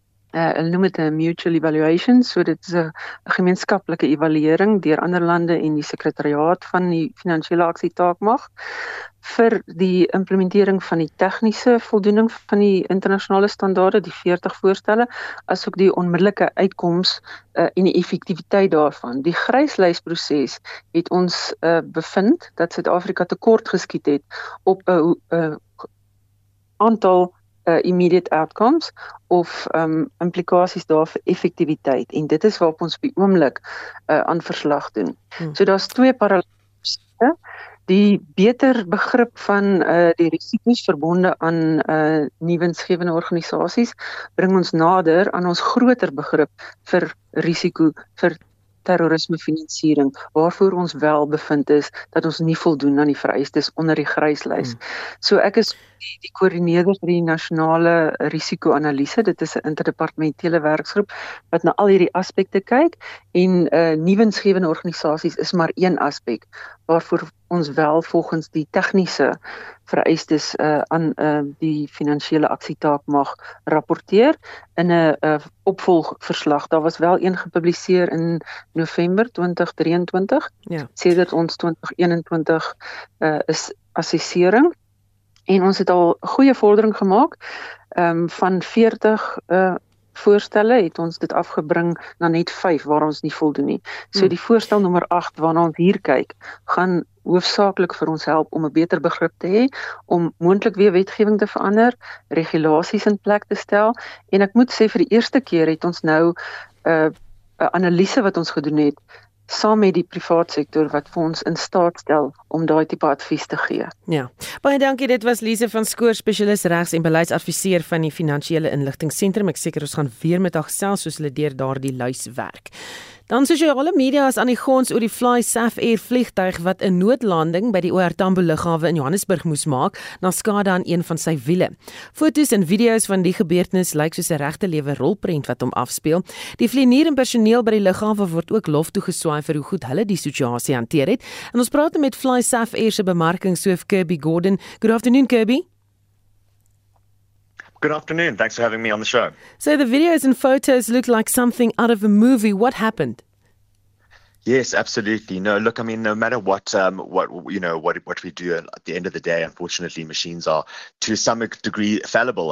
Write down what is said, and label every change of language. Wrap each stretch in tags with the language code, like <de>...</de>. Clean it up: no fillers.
<af>Hulle noem dit 'n mutual evaluation, so dit is 'n gemeenskaplike evaluering deur ander lande en die sekretariaat van die finansiële aksietaak mag vir die implementering van die tegniese voldoening van die internasionale standaarde, die 40 voorstelle, asook die onmiddellike uitkoms en die effektiwiteit daarvan. Die gryslysproses het ons bevind dat Suid-Afrika tekort geskiet het op 'n aantal immediate outcomes of implikasies daar vir effektiwiteit. En dit is waarop ons op die oomblik aan verslag doen. So daar's twee parallelle. Die beter begrip van die risiko's verbonde aan nie-winsgewende organisasies bring ons nader aan ons groter begrip vir risiko vir terrorismefinansiering, waarvoor ons wel bevind is dat ons nie voldoen aan die vereistes onder die gryslys. So ek is die koördineerder vir die nasionale risiko-analise. Dit is 'n interdepartementele werksgroep wat na al hierdie aspekte kyk en nie-winsgewende organisasies is maar een aspek waarvoor ons wel volgens die tegniese vereistes aan die finansiële aksietaak mag rapporteer in 'n opvolgverslag. Daar was wel een gepubliseer in November 2023, sedert ons 2021 is assessering. En ons het al goeie vordering gemaak van 40 voorstellen het ons dit afgebring na net 5 waar ons nie voldoen nie. So die voorstel nummer 8 waarna ons hier kyk, gaan hoofsaaklik vir ons help om 'n beter begrip te hê, om moontlik weer wetgewing te verander, regulasies in plek te stel. En ek moet sê vir die eerste keer het ons nou 'n analise wat ons gedoen het saam met die private sektor wat vir ons in staat stel om daai tipe advies te gee. Ja. Baie dankie, dit was Lise van Skoor, spesialis regs en beleidsadviseur van die Finansiële Inligting Sentrum. Ek seker ons gaan weer met haar gesels soos hulle deur daardie luis werk. Dan sosiale media is aan die gons oor die Fly SAF Air vliegtuig wat 'n noodlanding by die OR Tambo lughawe in Johannesburg moes maak na skade aan een van sy wiele. Fotos en video's van die gebeurtenis lyk soos 'n regte lewe rolprent wat hom afspeel. Die vlieënier en personeel by die lughawe word ook lof toegeswaai vir hoe goed hulle die situasie hanteer het. En ons praat met Fly SAF Air se bemarkingshoof Kirby Gordon.</af> <en>Good afternoon, Kirby. Good afternoon. Thanks for having me on the show. So the videos and photos look like something out of a movie. What happened? Yes, absolutely. No, look, I mean, no matter what we do at the end of the day, unfortunately, machines are to some degree fallible.</en>